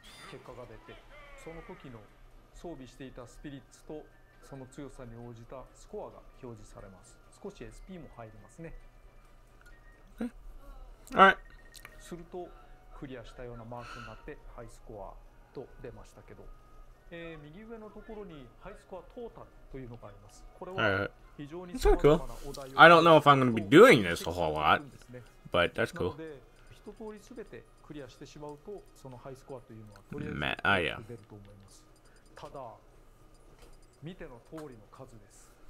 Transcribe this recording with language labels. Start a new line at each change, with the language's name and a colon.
Japanese: 結果が出て、その時の装備していたスピリッツとその強さに応じたスコアが表示されます。少し SP も入りますね。はい。するとクリアしたようなマークになってハイスコアと出ましたけど、右上のところにハイスコアトータルというのがあります。これは非常に様々なお題を。
English: That's cool. I don't know if I'm going to be doing this a whole lot, but that's cool.
Japanese: なので一通りすべてクリアしてしまうとそのハイスコアというのはとりあえず出ると思います。ただ見ての通りの数です。